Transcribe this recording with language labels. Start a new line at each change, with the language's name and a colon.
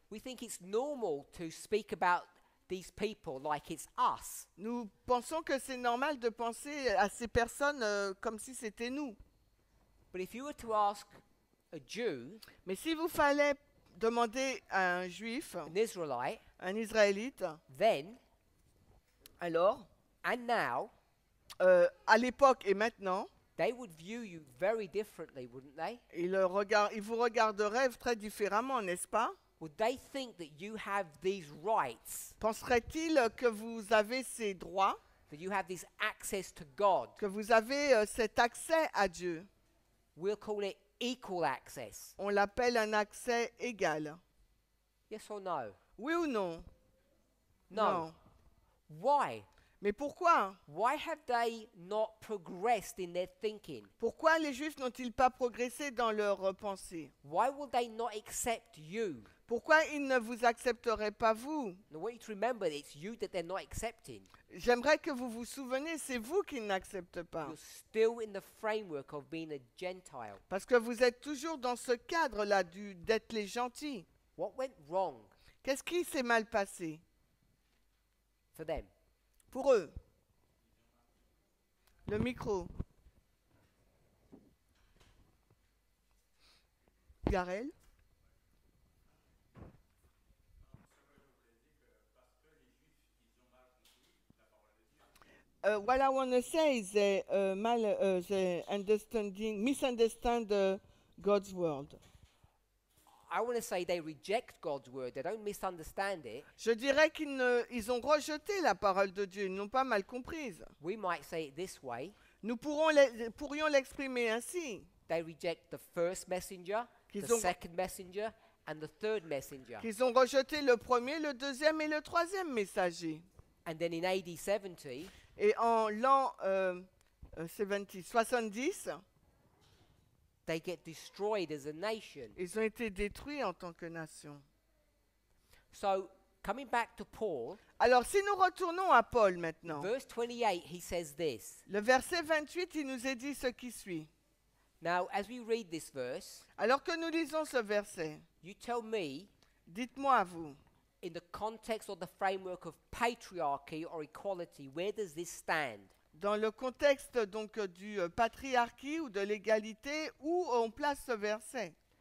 English: We think it's normal to speak about these people like it's us.
French: Nous pensons que c'est normal de penser à ces personnes comme si c'était nous.
English: But if you were to ask a Jew,
French: mais si vous fallait demander à un juif,
English: an Israelite,
French: un israélite,
English: then,
French: alors,
English: and now,
French: à l'époque et maintenant,
English: they would view you very differently, wouldn't they?
French: Ils vous regarderaient très différemment, n'est-ce pas?
English: Would they think that you have these rights?
French: Penseraient-ils que vous avez ces droits?
English: That you have this access to God?
French: Que vous avez cet accès à Dieu?
English: We'll call it equal access.
French: On l'appelle un accès égal.
English: Yes or no?
French: Oui ou non?
English: No.
French: Non.
English: Why?
French: Mais pourquoi?
English: Why have they not progressed in their thinking?
French: Pourquoi les Juifs n'ont-ils pas progressé dans leur pensée?
English: Why would they not accept you?
French: Pourquoi ils ne vous accepteraient pas vous?
English: Now, what you remember, it's you that they're not accepting.
French: J'aimerais que vous vous souveniez, c'est vous qui n'acceptez pas.
English: You're still in the framework of being a Gentile.
French: Parce que vous êtes toujours dans ce cadre-là d'être les gentils.
English: What went wrong?
French: Qu'est-ce qui s'est mal passé?
English: For them.
French: Pour eux. Le micro. Garel.
English: What I want to say is that misunderstand God's word. I want to say they reject God's word. They don't misunderstand it.
French: Je dirais qu'ils ont rejeté la parole de Dieu. Ils n'ont pas mal comprise.
English: We might say it this way.
French: Nous pourrions l'exprimer ainsi.
English: They reject the first messenger, second messenger, and the third messenger.
French: Ils ont rejeté le premier, le deuxième et le troisième messager.
English: And then in AD 70.
French: Et en l'an 70.
English: They get destroyed as a nation.
French: Ils ont été détruits en tant que nation.
English: So, coming back to Paul.
French: Alors, si nous retournons à Paul maintenant.
English: Verse 28, he says this.
French: Le verset 28, il nous est dit ce qui suit.
English: Now, as we read this verse.
French: Alors que nous lisons ce verset.
English: You tell me.
French: Dites-moi à vous.
English: In the context or the framework of patriarchy or equality, where does this stand?
French: Dans le contexte donc du patriarcat ou de l'égalité, où on place ce verset?